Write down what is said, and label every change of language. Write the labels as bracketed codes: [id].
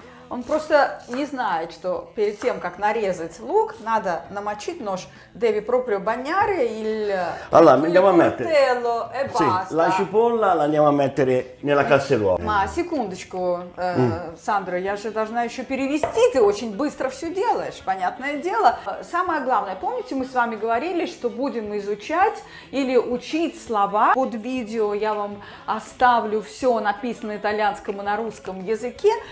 [ru] Он просто не знает, что перед тем, как нарезать лук, надо намочить нож. [it] Devi proprio bagnare il Allora, andiamo a mettere. E basta. Sì, la cipolla la andiamo a mettere nella casseruola. Ma [ru] секундочку, Сандро, я же должна еще перевести. Ты очень быстро все делаешь, понятное дело. Самое главное, помните, мы с вами говорили, что будем изучать или учить слова. Под видео я вам оставлю все написано итальянскому на русском языке.